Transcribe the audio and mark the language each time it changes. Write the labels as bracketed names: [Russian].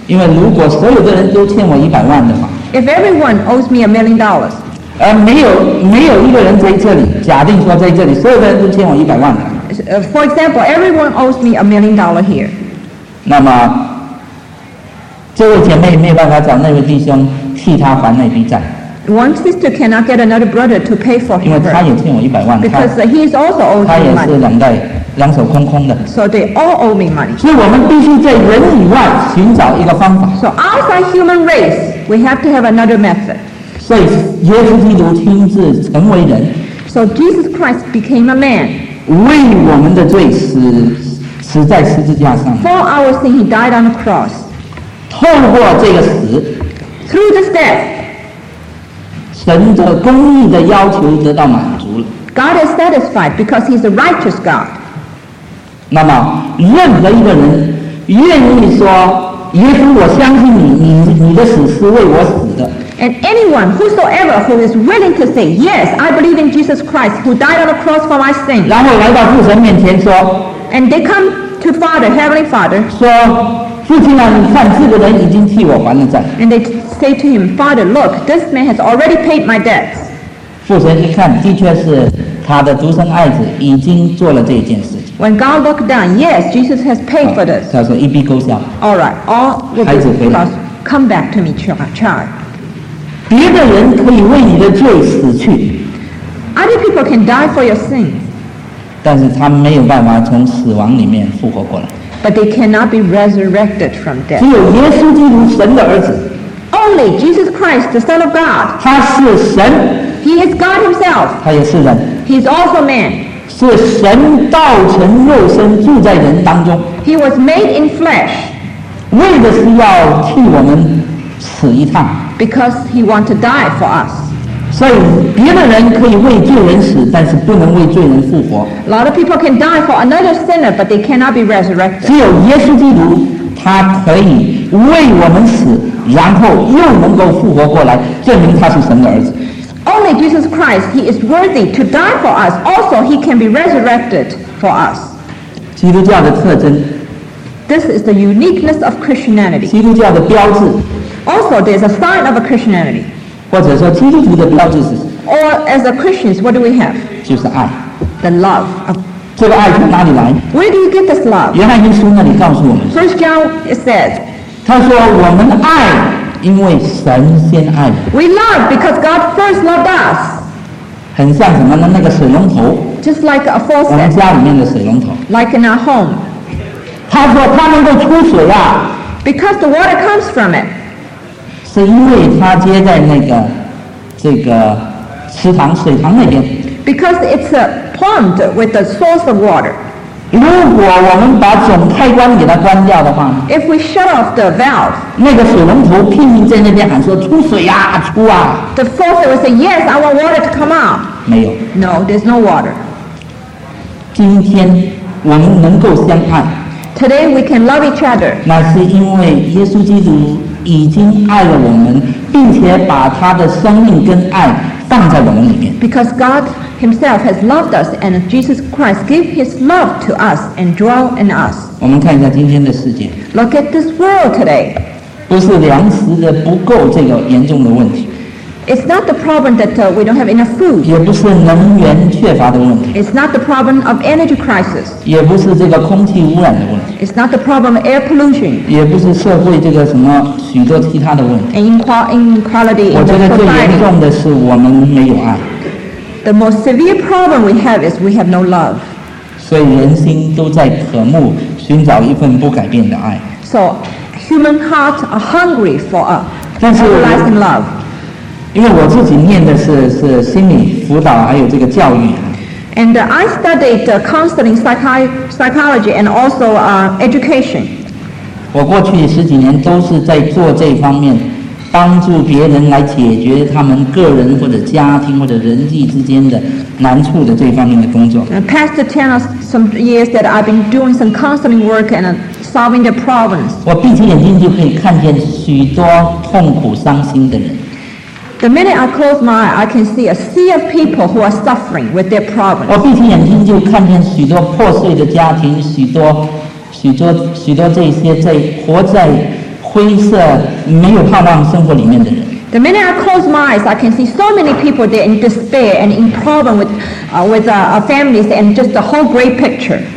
[Chinese] 因为如果所有的人都欠我一百万的话 [English] ，If everyone owes me $1 million. [Chinese] 没有一个人在这里。假定说在这里，所有的人都欠我一百万的。 [English] For example, everyone owes me $1 million here. [Chinese] 那么，这位姐妹没有办法找那位弟兄替她还那笔债。 [English] One sister cannot get another brother to pay for her. [Chinese] 因为她也欠我一百万。 [English] Because he is also owes me money. [Chinese] 她也是两手空空的。 [English] So they all owe me money. [Chinese] 所以我们必须在人以外寻找一个方法。 [English] So outside human race, we have to have another method. [Chinese] 所以耶稣基督亲自成为人。 [English] So Jesus Christ became a man. [Chinese] 为我们的罪死在十字架上。 [English] For our sin, he died on the cross. [Chinese] 透过这个死。 [English] Through this death. [Chinese] 神的公义的要求得到满足了。 [English] God is satisfied because he's a righteous God. [Chinese] 那么任何一个人愿意说耶稣我相信你的死是为我死的。 [English] And anyone whosoever who is willing to say, yes, I believe in Jesus Christ who died on the cross for my sin. [Chinese] 然后来到父神面前说。 [English] And they come to Father, Heavenly Father. [Chinese] 说父亲啊，你看这个人已经替我还了债。 [English] And they say to him, Father, look, this man has already paid my debts. [Chinese] 父神一看，的确是他的独生爱子已经做了这件事。 [English] When God looked down, yes, Jesus has paid for this. [Chinese] 他说一笔勾销。 [English] All right, all will be lost. Come back to me, child. [Chinese] 别的人可以为你的罪死去。 [English] Other people can die for your sin. [Chinese] 但是他没有办法从死亡里面复活过来。 [English] But they cannot be resurrected from death. [Chinese] 只有耶稣基督，神的儿子。 [English] Only Jesus Christ, the Son of God. [Chinese] 他是神。 [English] He is God himself. [Chinese] 他也是人。 [English] He is also man. [Chinese] 是神道成肉身住在人当中。 [English] He was made in flesh. [Chinese] 为的是要替我们死一趟。 [English] Because he wanted to die for us. [Chinese] 所以别的人可以为罪人死，但是不能为罪人复活。 [English] A lot of people can die for another sinner, but they cannot be resurrected. [Chinese] 只有耶稣基督，他可以为我们死，然后又能够复活过来，证明他是神的儿子。 [English] Only Jesus Christ, he is worthy to die for us. Also, he can be resurrected for us. [Chinese] 基督教的特征。 [English] This is the uniqueness of Christianity. [Chinese] 基督教的标志。 [English] Also, there is a sign of a Christianity. [Chinese] 或者说基督徒的标志是。 [English] Or as a Christians, what do we have? [Chinese] 就是爱。 [English] The love. Of [Chinese] 这个爱从哪里来？ [English] Where do you get this love? [Chinese] 原来耶稣那里告诉我们。 [English] First John says. [Chinese] 他说我们爱。因为神先爱。 [English] We love because God first loved us. [Chinese] 很像什么呢？那个水龙头。 [English] Just like a faucet. [Chinese] 我们家里面的水龙头。 [English] Like in our home. [Chinese] 他说他能够出水啊。 [English] Because the water comes from it. [Chinese] 是因为他接在那个这个池塘水塘那边。 [English] Because it's a pond with a source of water. [Chinese] 如果我们把总开关给它关掉的话 [English] ，If we shut off the valve， [Chinese] 那个水龙头拼命在那边喊说出水呀、啊，出啊 [English] ！The faucet will say yes, I want water to come out. [Chinese] 没有。 [English] No, there's no water. [Chinese] 今天我们能够相爱 [English] Today we can love each other. [Chinese] 那是因为耶稣基督已经爱了我们，并且把他的生命跟爱放在我们里面。 [English] Because God Himself has loved us, and Jesus Christ gave His love to us and dwell in us. [Chinese] 我们看一下今天的世界。 [English] Look at this world today. [Chinese] 不是粮食的不够这个严重的问题。 [English] It's not the problem that we don't have enough food. [Chinese] 也不是能源缺乏的问题。 [English] It's not the problem of energy crisis. [Chinese] 也不是这个空气污染的问题。 [English] It's not the problem of air pollution. [Chinese] 也不是社会这个什么许多其他的问题。 [English] Inequality. [Chinese] 我觉得最严重的是我们没有爱。 [English] The most severe problem we have is we have no love. [Chinese] 所以人心都在渴慕寻找一份不改变的爱。 [English] So human hearts are hungry for a everlasting love. [Chinese] 因为我自己念的是心理辅导还有这个教育。 [English] And I studied counseling psychology and also education. [Chinese] 我过去十几年都是在做这方面帮助别人来解决他们个人或者家庭或者人际之间的难处的这方面的工作。 [English] Past 10 or some years that I've been doing some counseling work and solving the problems. [Chinese] 我闭起眼睛就可以看见许多痛苦伤心的人。 [English] The minute I close my eye, I can see a sea of people who are suffering with their problems. [Chinese] 我闭起眼睛就看见许多破碎的家庭，许多这些在活在灰色没有盼望生活里面的人。 [English] The minute I close my eyes, I can see so many people there in despair and in problem with families and just the whole great picture.